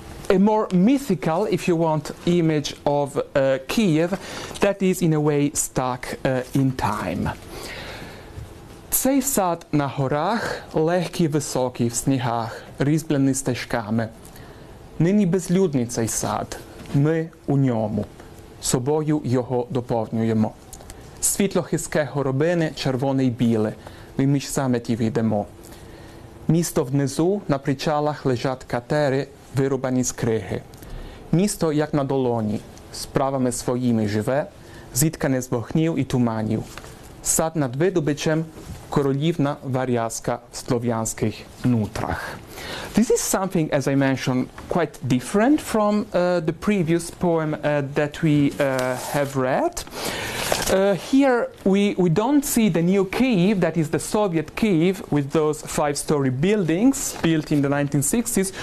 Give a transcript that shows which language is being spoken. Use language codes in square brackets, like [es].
[en] a more mythical, if you want, image of Kyiv that is in a way stuck in time. [uk] Цей сад на горах легкий високий в снігах, різьблений стежками. Нині безлюдний цей сад, ми у ньому, собою його доповнюємо. Світло хиске горобини, червоне й біле, ми між заметів йдемо. Місто внизу, на причалах лежать катери, вирубані з криги. Місто, як на долоні, справами своїми живе, зіткане з вогнів і туманів. Сад над видобичем – королівна варязка в слов'янських нутрах. [en] This is something, as I mentioned, quite different from the previous poem that we have read. Here we don't see the new Kyiv, that is the Soviet Kyiv, with those five-story buildings built in the 1960s.